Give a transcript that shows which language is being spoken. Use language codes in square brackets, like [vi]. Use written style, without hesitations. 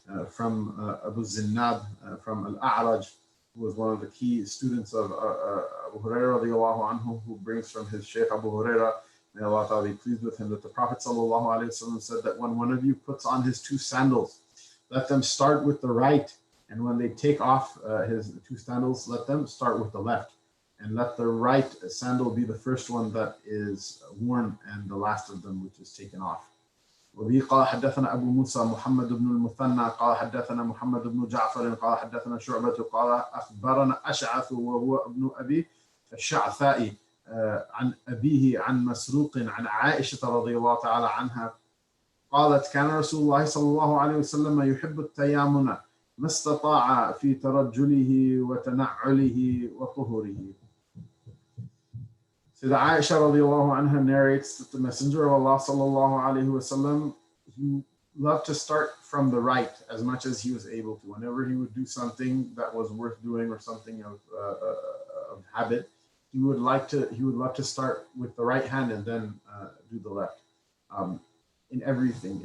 [en] From Abu Zinnab, from Al-A'raj, who was one of the key students of Abu Huraira radiallahu anhu, who brings from his Shaykh Abu Huraira, may Allah ta'ala be pleased with him, that the Prophet sallallahu alayhi wa sallam said that when one of you puts on his two sandals, let them start with the right, and when they take off his two sandals, let them start with the left, and let the right sandal be the first one that is worn, and the last of them which is taken off. [ar] وبه قال حدثنا أبو موسى محمد بن المثنى قال حدثنا محمد بن جعفر قال حدثنا شعبة قال أخبرنا أشعث وهو ابن أبي الشعثاء عن أبيه عن مسروق عن عائشة رضي الله تعالى عنها قالت كان رسول الله صلى الله عليه وسلم يحب التيامن ما استطاع في ترجله وتنعله وطهره. [en] The Aisha radiallahu anha narrates that the Messenger of Allah sallallahu alayhi wa sallam, he loved to start from the right as much as he was able to. Whenever he would do something that was worth doing or something of habit, he would love to start with the right hand and then do the left in everything.